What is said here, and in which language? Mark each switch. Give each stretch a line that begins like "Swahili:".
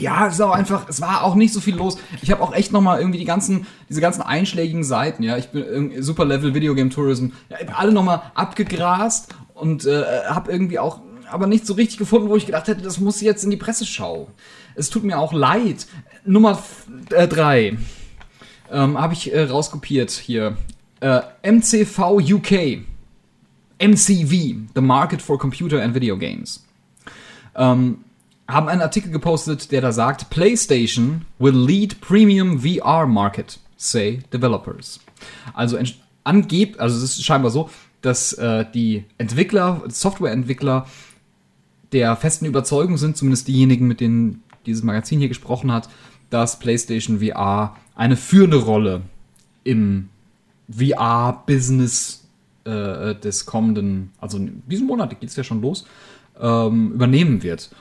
German: Ja, es ist auch einfach, es war auch nicht so viel los. Ich habe auch echt nochmal irgendwie diese ganzen einschlägigen Seiten, ja, ich bin Super Level Video Game Tourism, ja, ich habe alle nochmal abgegrast und habe irgendwie auch, aber nicht so richtig gefunden, wo ich gedacht hätte, das muss jetzt in die Presseschau. Es tut mir auch leid. Nummer 3 habe ich rauskopiert hier. MCV UK. MCV, The Market for Computer and Video Games. Haben einen Artikel gepostet, der da sagt,
English: PlayStation will lead premium VR market, say developers.
German: Also es ist scheinbar so, dass die Entwickler, Softwareentwickler der festen Überzeugung sind, zumindest diejenigen, mit denen dieses Magazin hier gesprochen hat, dass PlayStation VR eine führende Rolle im VR-Business des kommenden, also in diesem Monat geht es ja schon los, übernehmen wird.